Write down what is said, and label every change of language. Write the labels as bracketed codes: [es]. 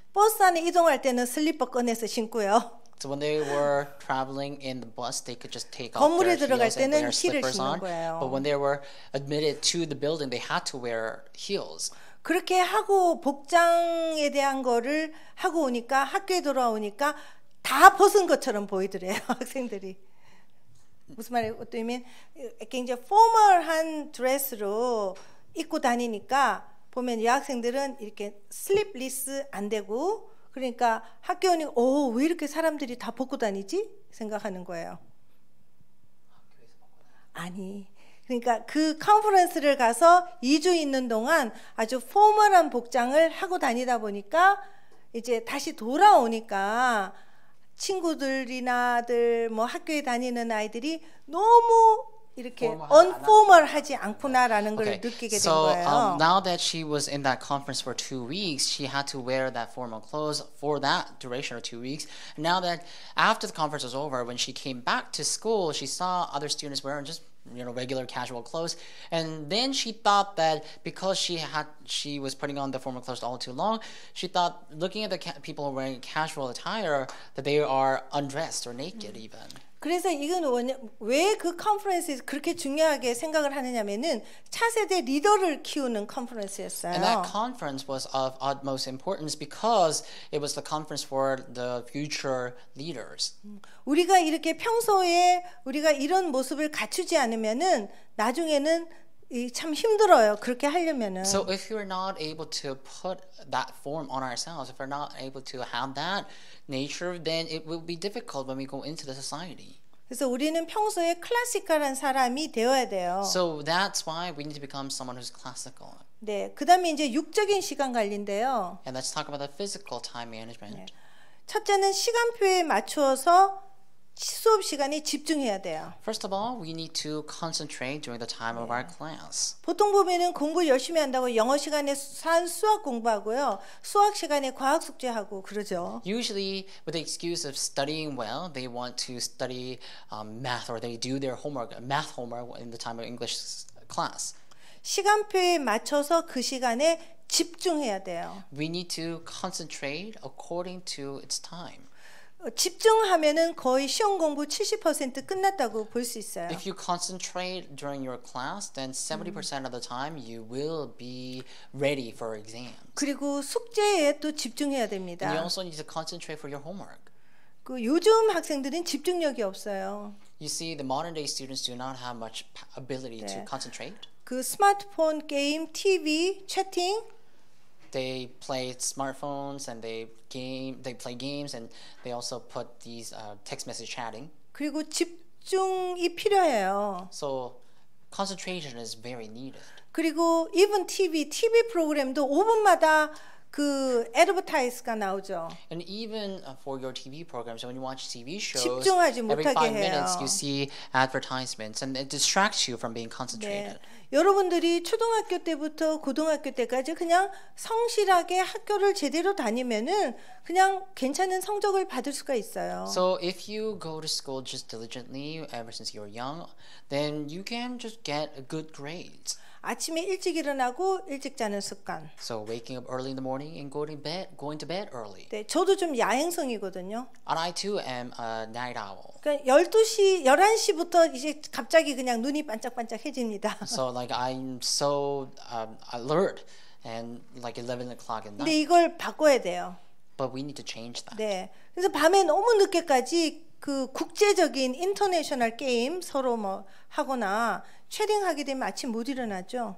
[ko] 버스 안에 이동할 때는 슬리퍼 꺼내서 신고요. [en] So when they were traveling in the bus, they could just take off their heels and wear slippers on. But when they were admitted to the building, they had to wear heels. [ko] 그렇게 하고 복장에 대한 거를 하고 오니까 학교에 돌아오니까 다 벗은 것처럼 보이더래요 학생들이 무슨 말이에요? 어떤 의미? 굉장히 포멀한 드레스로 입고 다니니까 보면 여학생들은 이렇게 슬립리스 안 되고 그러니까 학교 오니 오 왜 이렇게 사람들이 다 벗고 다니지? 생각하는 거예요. 아니 그러니까 그 컨퍼런스를 가서 2주 있는 동안 아주 포멀한 복장을 하고 다니다 보니까 이제 다시 돌아오니까. 친구들이나들 뭐 학교에 다니는 아이들이 너무 이렇게 unformal하지 않구나라는 걸 [en] okay. [ko] 느끼게 [en] so, [ko] 된 거예요. [en] So now that she was in that conference for 2 weeks, she had to wear that formal clothes for that duration of 2 weeks. Now that after the conference was over, when she came back to school, she saw other students wearing just you know regular casual clothes, and then she thought that because she was putting on the formal clothes all too long, she thought looking at the people wearing casual attire that they are undressed or naked even. [ko] 그래서 이건 왜 그 컨퍼런스 그렇게 중요하게 생각을 하느냐면은 차세대 리더를 키우는 컨퍼런스였어요. [en] And that conference was of utmost importance because it was the conference for the future leaders. [ko] 우리가 이렇게 평소에 우리가 이런 모습을 갖추지 않으면은 나중에는 참 힘들어요. 그렇게 하려면은. [en] So if you're not able to put that form on ourselves, if we're not able to have that nature, then it will be difficult when we go into the society. [ko] 그래서 우리는 평소에 클래식한 사람이 되어야 돼요. [en] So that's why we need to become someone who's classical. [ko] 네, 그다음에 이제 육적인 시간 관리인데요. [en] And let's talk about the physical time management. [ko] 네. 첫째는 시간표에 맞추어서 수업 시간에 집중해야 돼요. [en] First of all, we need to concentrate during the time 네. of our class. [ko] 보통 보면은 공부 열심히 한다고 영어 시간에 수학 공부하고요. 수학 시간에 과학 숙제하고 그러죠. [en] Usually with the excuse of studying well, they want to study math or they do their homework, math homework in the time of English class. [ko] 시간표에 맞춰서 그 시간에 집중해야 돼요. [en] We need to concentrate according to its time. [ko] 집중하면은 거의 시험 공부 70% 끝났다고 볼 수 있어요. [en] If you concentrate during your class, then 70% of the time you will be ready for exams. [ko] 그리고 숙제에 또 집중해야 됩니다. [en] And you also need to concentrate for your homework. [ko] 그 요즘 학생들은 집중력이 없어요. [en] You see, the modern day students do not have much ability 네. to concentrate. [ko] 그 스마트폰 게임, TV, 채팅. [en] They play smartphones and they play games and they also put these text message chatting. [ko] 그리고 집중이 필요해요. [en] So concentration is very needed. [ko] 그리고 even TV 프로그램도 5분마다 그 애드버타이즈가 나오죠. [en] And even for your TV programs, when you watch TV shows, [ko] 집중하지 못하게 [en] every five [ko] 해요. [en] minutes you see advertisements, and it distracts you from being concentrated. [ko] 네. 여러분들이 초등학교 때부터 고등학교 때까지 그냥 성실하게 학교를 제대로 다니면은 그냥 괜찮은 성적을 받을 수가 있어요. [en] So if you go to school just diligently ever since you're young, then you can just get a good grades. [ko] 아침에 일찍 일어나고 일찍 자는 습관. [en] So waking up early in the morning and going to bed early. [ko] 네, 저도 좀 야행성이거든요. [en] And I too am a night owl. [ko] 그러니까 12시, 11시부터 이제 갑자기 그냥 눈이 반짝반짝해집니다. [en] So like I'm so alert and like 11 o'clock at night. [ko] 근데 이걸 바꿔야 돼요. [en] But we need to change that. [ko] 네. 그래서 밤에 너무 늦게까지 그 국제적인 인터내셔널 게임 서로 뭐 하거나 채팅하게 되면 아침 못 일어나죠.